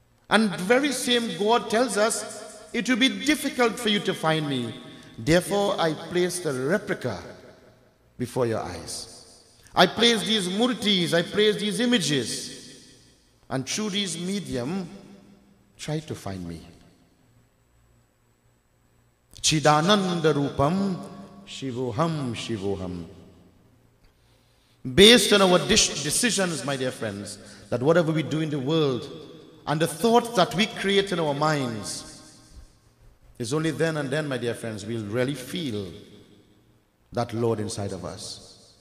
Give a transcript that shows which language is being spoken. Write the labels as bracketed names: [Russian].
[English] And the very same God tells us, it will be difficult for you to find me. Therefore, I place the replica before your eyes. I place these murtis, I place these images. And through these medium, try to find me. [Sanskrit] Chidananda Rupam Shivoham Shivoham. [English] Based on our decisions, my dear friends, that whatever we do in the world and the thoughts that we create in our minds, it's only then and then, my dear friends, we'll really feel that Lord inside of us.